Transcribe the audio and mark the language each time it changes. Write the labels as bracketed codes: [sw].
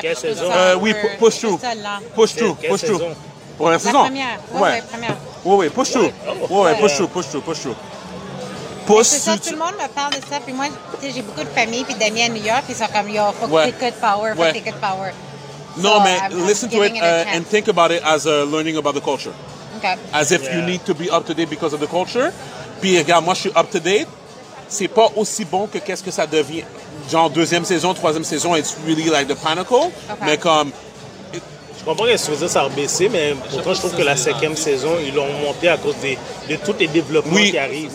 [fr] Quelle saison? Oui, [en] push through. [fr] Pour la saison? La première. [en] Push through. [fr] Tout le monde me parle de ça. Puis moi, tu sais, j'ai beaucoup de famille puis d'amis à New York. Ils sont comme, yo, faut que t'écoutes Power. Non, so, mais [en] listen to it and think about it as learning about the culture. Okay. As if you need to be up to date because of the culture. [fr] Puis regarde, moi je suis up to date. C'est pas aussi bon que qu'est-ce que ça devient. Genre deuxième saison, troisième saison, [en] it's really like the pinnacle. Okay. [fr] Mais comme. Je comprends que tu veux dire ça a baissé, mais pourtant je trouve que la cinquième saison, ils l'ont monté à cause de tous les développements qui arrivent.